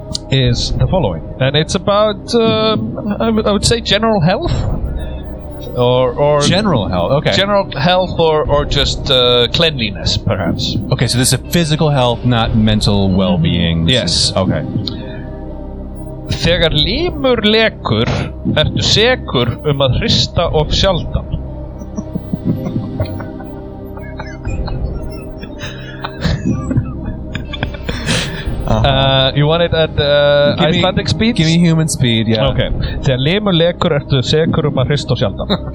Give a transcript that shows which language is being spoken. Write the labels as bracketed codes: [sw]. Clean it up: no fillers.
[en] Is the following, and it's about I would say general health, or general health. Okay, general health, or just cleanliness, perhaps. Okay, so this is physical health, not mental well-being. Mm-hmm. Yes. Okay. [is] Þegar límur lekur, ertu sekur að hrista of sjaldan. [en] You want it at Icelandic speed? Give me human speed, yeah. Okay. [is] Þegar limur lekur, ertu sekur að hrista of sjaldan.